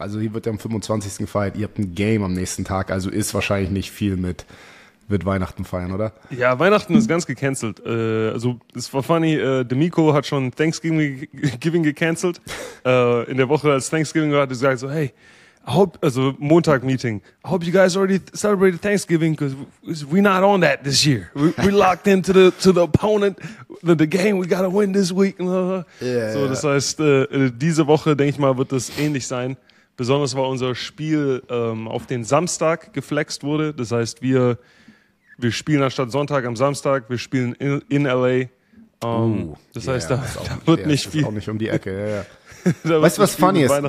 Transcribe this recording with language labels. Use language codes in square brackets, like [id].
[de] Also hier wird ja am 25. gefeiert. Ihr habt ein Game am nächsten Tag. Also ist wahrscheinlich nicht viel mit, wird Weihnachten feiern, oder? Ja, Weihnachten ist ganz gecancelt. Also es war funny, D'Amico hat schon Thanksgiving gecancelt. In der Woche, als Thanksgiving war, hat er gesagt so, hey, Montag-Meeting. [en] I hope you guys already celebrated Thanksgiving because we're not on that this year. We locked into the opponent, the game we gotta win this week. Yeah, [de] so, das heißt, diese Woche, denke ich mal, wird das ähnlich sein. Besonders, weil unser Spiel auf den Samstag geflext wurde. Das heißt, wir spielen anstatt Sonntag am Samstag, wir spielen in L.A. Auch nicht um die Ecke, Weißt du, was funny ist?